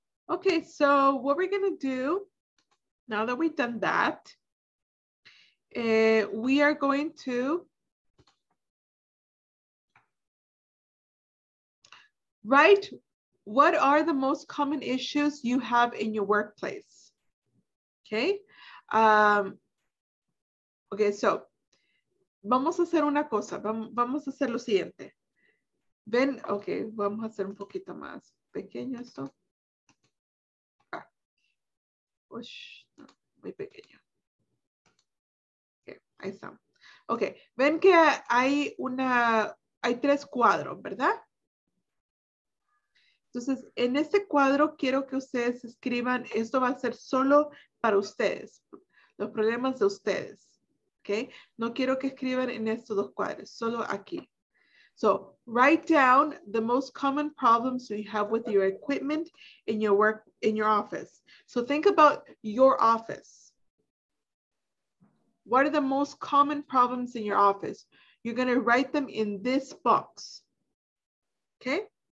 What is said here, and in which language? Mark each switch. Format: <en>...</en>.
<en>Okay, so what we're gonna do, now that we've done that, we are going to write what are the most common issues you have in your workplace, okay?</en> <es>Okay, so, vamos a hacer una cosa, vamos a hacer lo siguiente. Ven, ok, vamos a hacer un poquito más pequeño esto. Ah. Uy, no, muy pequeño. Ok, ahí está. Ok, ven que hay tres cuadros, ¿verdad? Entonces, en este cuadro quiero que ustedes escriban, esto va a ser solo para ustedes, los problemas de ustedes, ¿ok? No quiero que escriban en estos dos cuadros, solo aquí.</es> <en>So, write down the most common problems you have with your equipment in your work, in your office. So, think about your office. What are the most common problems in your office? You're going to write them in this box, ¿ok?</en>